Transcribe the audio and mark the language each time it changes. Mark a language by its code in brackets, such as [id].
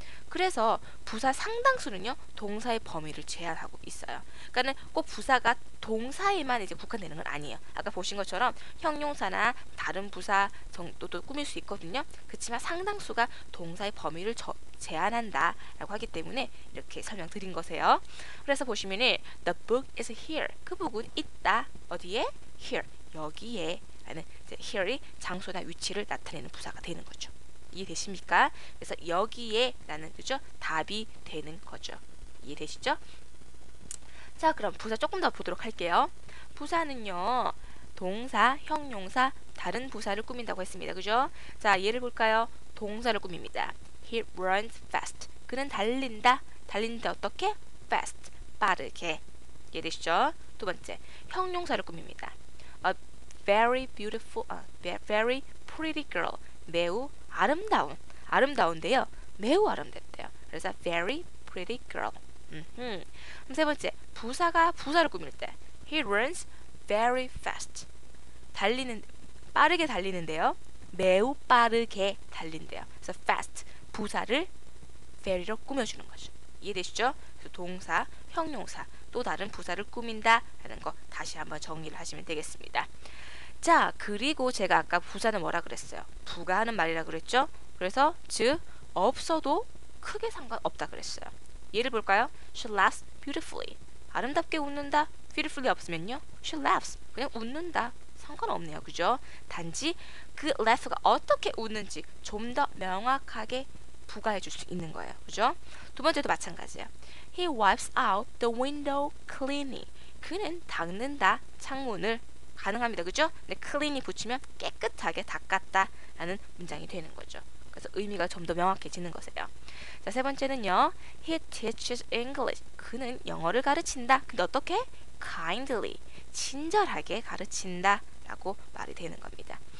[ko] 그래서 부사 상당수는요. 동사의 범위를 제한하고 있어요. 그러니까는 꼭 부사가 동사에만 이제 국한되는 건 아니에요. 아까 보신 것처럼 형용사나 다른 부사 정도도 꾸밀 수 있거든요. 그렇지만 상당수가 동사의 범위를 제한한다라고 하기 때문에 이렇게 설명드린 거세요. 그래서 보시면 [en] the book is here. [ko] 그 부분 있다. 어디에? here. 여기에. 라는 이제 here이 장소나 위치를 나타내는 부사가 되는 거죠. 이해되십니까? 그래서 여기에 라는 뜻이죠. 답이 되는 거죠. 이해되시죠? 자, 그럼 부사 조금 더 보도록 할게요. 부사는요. 동사, 형용사, 다른 부사를 꾸민다고 했습니다. 그죠? 자, 예를 볼까요? 동사를 꾸밉니다. [en] He runs fast. [ko] 그는 달린다. 달린다 어떻게? fast. 빠르게. 이해되시죠? 두 번째, 형용사를 꾸밉니다. [en] Very beautiful, very pretty girl. [ko] 매우 아름다운, 아름다운데요. 매우 아름답대요. [en] 그래서 very pretty girl. [ko] 그럼 세 번째, 부사가 부사를 꾸밀 때 [en] He runs very fast. [ko] 달리는, 빠르게 달리는데요. 매우 빠르게 달린대요. 그래서 fast, 부사를 very로 꾸며주는 거죠. 이해되시죠? 그래서 동사, 형용사, 또 다른 부사를 꾸민다 라는 거 다시 한번 정리를 하시면 되겠습니다. 자, 그리고 제가 아까 부사는 뭐라 그랬어요? 부가하는 말이라 그랬죠? 그래서 즉 없어도 크게 상관없다 그랬어요. 예를 볼까요? [en] She laughs beautifully. [ko] 아름답게 웃는다. beautifully 없으면요. [en] She laughs. [ko] 그냥 웃는다. 상관없네요. 그죠? 단지 그 laugh가 어떻게 웃는지 좀 더 명확하게 부가해 줄 수 있는 거예요. 그죠? 두 번째도 마찬가지예요. [en] He wipes out the window cleanly. [ko] 그는 닦는다. 창문을 가능합니다. 그죠? 근데 clean이 붙이면 깨끗하게 닦았다 라는 문장이 되는 거죠. 그래서 의미가 좀 더 명확해지는 거세요. 자, 세 번째는요. [en] He teaches English. [ko] 그는 영어를 가르친다. 근데 어떻게? kindly. 친절하게 가르친다 라고 말이 되는 겁니다.